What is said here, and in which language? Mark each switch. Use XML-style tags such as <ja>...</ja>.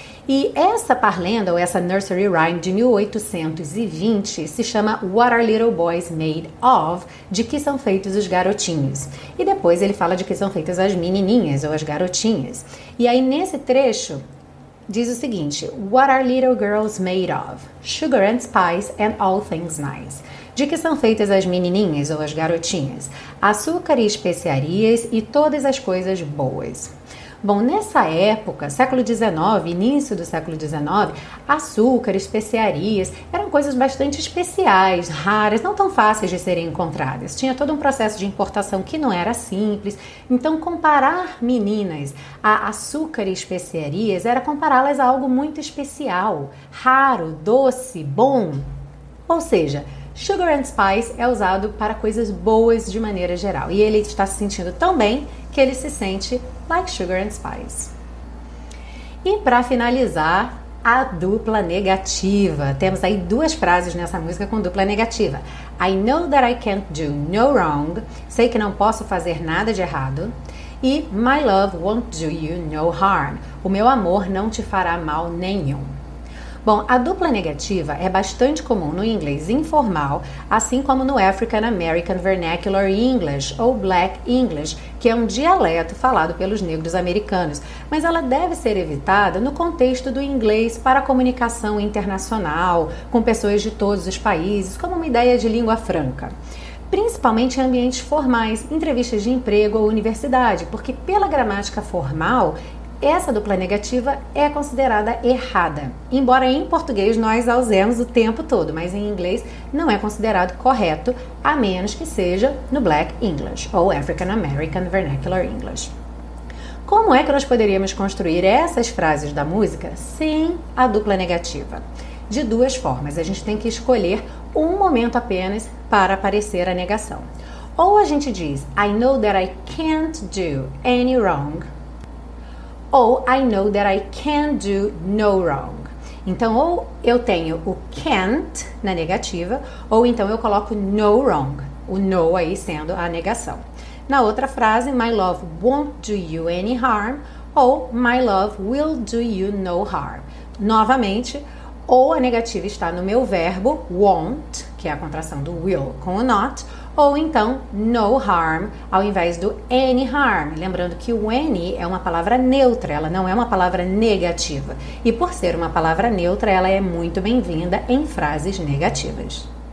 <pt>E essa parlenda, ou essa nursery rhyme de 1820, se chama What Are Little Boys Made Of? De que são feitos os garotinhos. E depois ele fala de que são feitas as menininhas, ou as garotinhas. E aí, nesse trecho, diz o seguinte:</pt> <en>What are little girls made of? Sugar and spice and all things nice.</en> <pt>De que são feitas as menininhas ou as garotinhas? Açúcar e especiarias e todas as coisas boas. Bom, nessa época, século XIX, início do século XIX, açúcar, especiarias eram coisas bastante especiais, raras, não tão fáceis de serem encontradas. Tinha todo um processo de importação que não era simples. Então, comparar meninas a açúcar e especiarias era compará-las a algo muito especial, raro, doce, bom. Ou seja, sugar and spice é usado para coisas boas de maneira geral. E ele está se sentindo tão bem que ele se sente</pt> <en>like sugar and spice.</en> <pt>E para finalizar, a dupla negativa. Temos aí duas frases nessa música com dupla negativa.</pt> <en>I know that I can't do no wrong.</en> <pt>Sei que não posso fazer nada de errado. E</pt> <en>my love won't do you no harm.</en> <pt>O meu amor não te fará mal nenhum. Bom, a dupla negativa é bastante comum no inglês informal, assim como no African American Vernacular English ou Black English, que é um dialeto falado pelos negros americanos. Mas ela deve ser evitada no contexto do inglês para comunicação internacional, com pessoas de todos os países, como uma ideia de língua franca. Principalmente em ambientes formais, entrevistas de emprego ou universidade, porque pela gramática formal, essa dupla negativa é considerada errada, embora em português nós a usemos o tempo todo, mas em inglês não é considerado correto, a menos que seja no Black English ou African American Vernacular English. Como é que nós poderíamos construir essas frases da música sem a dupla negativa? De duas formas, a gente tem que escolher um momento apenas para aparecer a negação. Ou a gente diz,</pt> <en>I know that I can't do any wrong.</en> <pt>Ou</pt> <en>I know that I can do no wrong.</en> <pt>Então, ou eu tenho o can't na negativa, ou então eu coloco no wrong, o no aí sendo a negação. Na outra frase,</pt> <en>my love won't do you any harm,</en> <pt>ou</pt> <en>my love will do you no harm.</en> <pt>Novamente, ou a negativa está no meu verbo won't, que é a contração do will com o not, ou então no harm ao invés do any harm. Lembrando que o any é uma palavra neutra, ela não é uma palavra negativa. E por ser uma palavra neutra, ela é muito bem-vinda em frases negativas.</pt>